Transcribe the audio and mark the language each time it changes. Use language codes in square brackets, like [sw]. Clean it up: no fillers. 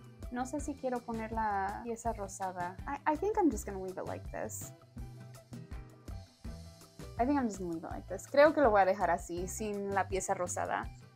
[es] No sé si quiero poner la pieza rosada. [en] I think I'm just going to leave it like this. I think I'm just gonna leave it like this. [es] Creo que lo voy a dejar así, sin la pieza rosada.